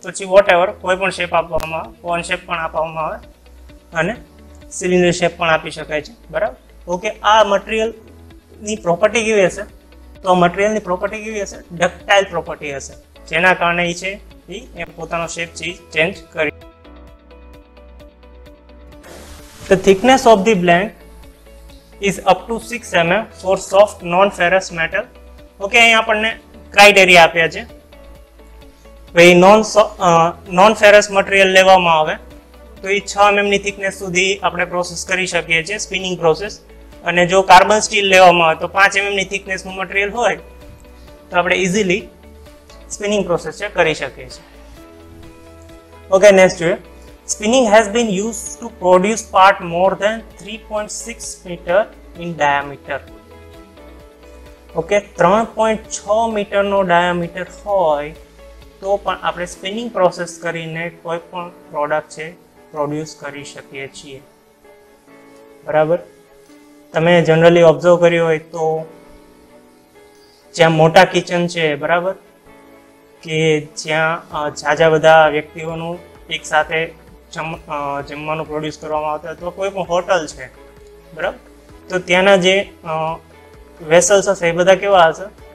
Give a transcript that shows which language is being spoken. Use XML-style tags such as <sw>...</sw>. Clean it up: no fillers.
<gu>પછી vote ever કોઈ પણ શેપ આપવામાં આવે, કોન શેપ પણ આપવામાં આવે અને સિલિન્ડર શેપ પણ આપી શકાય છે, બરાબર. ઓકે, આ મટીરિયલની પ્રોપર્ટી કેવી હશે? તો આ મટીરિયલની પ્રોપર્ટી કેવી હશે? ડક્ટાઇલ પ્રોપર્ટી હશે, જેના કારણે એ છે એ પોતાનો શેપ છે ચેન્જ કરી.</gu> <en>The thickness of the blank is up to 6 mm for soft non-ferrous metal.</en> <gu>Okay, અહીં આપણને ક્રાઇટેરિયા આપ્યા છે. ભાઈ non-ferrous material લેવામાં આવે તો એ 6 mm thickness સુધી આપણે પ્રોસેસ કરી શકીએ છીએ સ્પિનિંગ પ્રોસેસ, અને જો કાર્બન સ્ટીલ લેવામાં આવે તો 5 mm થિકનેસનું મટીરિયલ હોય તો આપણે ઇઝીલી સ્પિનિંગ પ્રોસેસ છે કરી શકીએ છીએ. ઓકે, નેક્સ્ટ જોઈએ.</gu> <en>Spinning has been used to produce part more than 3.6 meter in diameter.</en> <gu>Okay, 3.6 meter no diameter હોય તો પણ આપણે સ્પિનિંગ પ્રોસેસ કરીને કોઈ પણ પ્રોડક્ટ છે પ્રોડ્યુસ કરી શકીએ છીએ, બરાબર. તમે જનરલી ઓબ્ઝર્વ કર્યું હોય તો જ્યાં મોટા કિચન છે, બરાબર, કે જ્યાં જાજા બધા વ્યક્તિઓનું એકસાથે જમવાનું પ્રોડ્યુસ કરવામાં આવતું હોય અથવા કોઈ પણ હોટલ છે, બરાબર, તો ત્યાંના જે વેસલ્સ હશે એ બધા કેવા હશે?</gu>